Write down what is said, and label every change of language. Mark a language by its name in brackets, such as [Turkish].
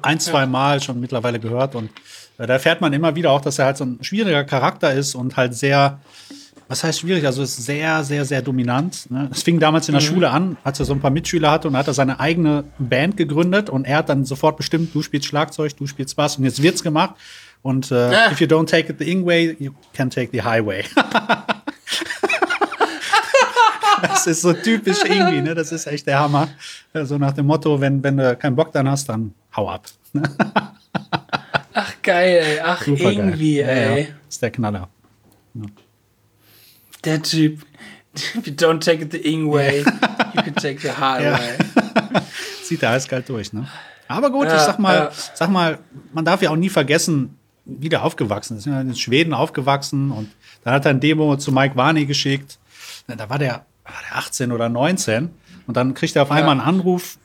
[German] ein, zwei Mal schon mittlerweile gehört. Und da erfährt man immer wieder auch, dass er halt so ein schwieriger Charakter ist und halt sehr, was heißt schwierig? Also ist sehr, sehr, sehr dominant. Ne? Es fing damals in der Schule an, als er so ein paar Mitschüler hatte und hat er seine eigene Band gegründet und er hat dann sofort bestimmt, du spielst Schlagzeug, du spielst Bass und jetzt wird's gemacht. [English] Und if you don't take it the Ingway, you can take the highway. [German] Das ist so typisch irgendwie, ne? Das ist echt der Hammer. So also nach dem Motto, wenn du keinen Bock dann hast, dann hau ab. Ach geil, ey. Ach super irgendwie, geil. Ey. Ja, ist der Knaller. Ja. Der Typ, [English] if you don't take it the Ingway, you can take the hard way. [German] Sieht der eiskalt durch, ne? Aber gut, ja, ich sag mal, man darf ja auch nie vergessen, wie der aufgewachsen ist. In Schweden aufgewachsen und dann hat er ein Demo zu Mike Varney geschickt. Da war der 18 oder 19 und dann kriegt er auf einmal einen Anruf.